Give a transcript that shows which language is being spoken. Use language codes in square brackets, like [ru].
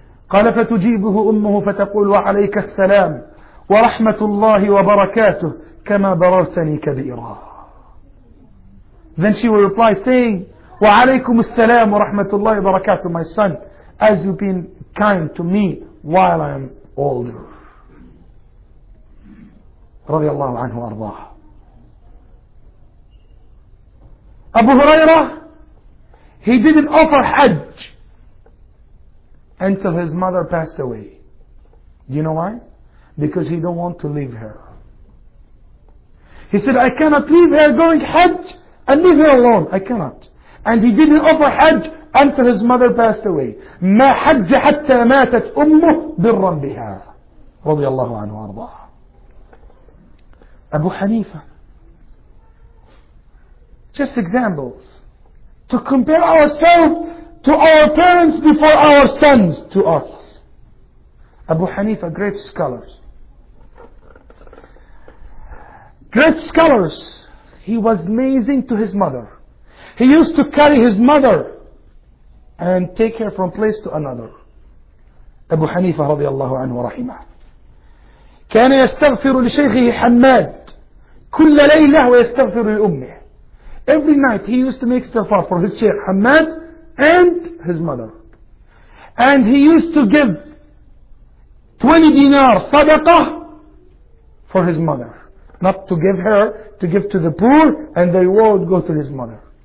[ar] قال فتجيبه أمه فتقول وعليك السلام ورحمة الله وبركاته كما بررتني كبيرا. [en] Then she will reply saying [ar] وعليكم السلام ورحمة الله وبركاته, [en] my son, as you've been kind to me while I am older. [ar] رضي الله عنه وأرضاه. [en] أبو هريرة, he didn't offer Hajj until his mother passed away. Do you know why? Because he don't want to leave her. He said, I cannot leave her going Hajj and leave her alone. I cannot. And he didn't offer Hajj until his mother passed away. [ar] ما حج حتى ماتت أمه برا بها رضي الله عنه وارضاه. أبو حنيفة. [en] Just examples. To compare ourselves to our parents before our sons to us. Abu Hanifa, great scholars. Great scholars. He was amazing to his mother. He used to carry his mother and take her from place to another. [ar] Abu Hanifa رضي الله عنه ورحمه. كان يستغفر لشيخه حماد كل ليلة ويستغفر لأمه. [en] Every night he used to make istighfar for his Shaykh Hamad and his mother. And he used to give 20 dinar sadaqah for his mother. Not to give her, to give to the poor, and the reward would go to his mother.